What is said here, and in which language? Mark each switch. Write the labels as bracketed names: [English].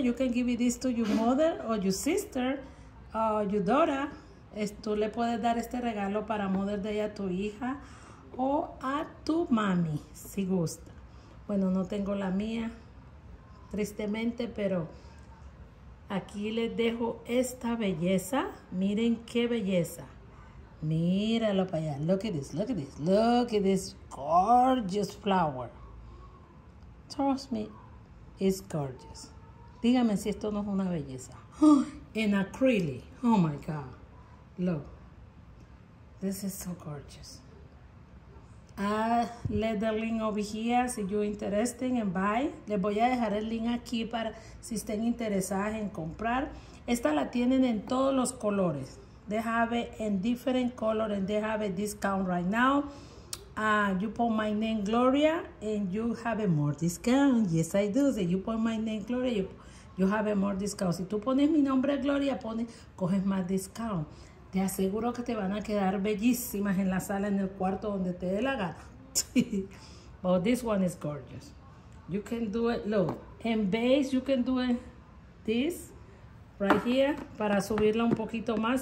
[English] You can give this to your mother or your sister or your daughter. [Spanish] Tú le puedes dar este regalo para Mother Day a tu hija o a tu mami, si gusta. Bueno, no tengo la mía, tristemente, pero aquí les dejo esta belleza. Miren qué belleza. Míralo para allá. [English] Look at this, look at this, look at this gorgeous flower. Trust me, it's gorgeous. [Spanish] Dígame si esto no es una belleza. [English] Oh, in acrylic. Oh my God. Look. This is so gorgeous. Let the link over here si you're interested and buy. [Spanish] Les voy a dejar el link aquí para si estén interesadas en comprar. Esta la tienen en todos los colores. [English] They have it in different colors and they have a discount right now. You put my name Gloria and you have a more discount. Yes, I do. So you put my name Gloria, you have a more discount. [Spanish] Si tú pones mi nombre Gloria, coges más discount. Te aseguro que te van a quedar bellísimas en la sala, en el cuarto, donde te dé la gana. [English] But this one is gorgeous. You can do it, look. In base, you can do it this, right here, [Spanish] para subirla un poquito más.